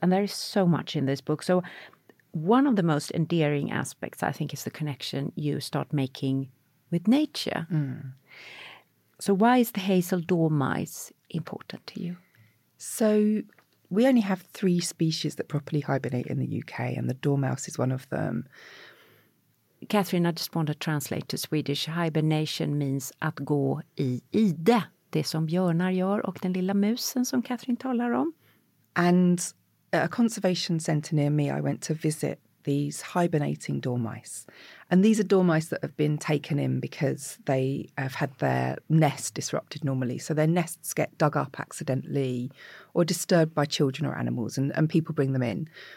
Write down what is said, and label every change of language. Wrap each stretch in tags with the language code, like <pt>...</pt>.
<en>And there is so much in this book. So one of the most endearing aspects, I think, is the connection you start making with nature. So why is the hazel dormice important to you? So we only have 3 species that properly hibernate in the UK, and the dormouse is one of them. Catherine, I just want to translate to Swedish. Hibernation means</en> <sv>att gå i ide. Det som björnar gör och den lilla musen som Catherine talar om.</sv> <en>And a conservation centre near me, I went to visit these hibernating dormice. And these are dormice that have been taken in because they have had their nest disrupted normally. So their nests get dug up accidentally or disturbed by children or animals, and people bring them in.</en>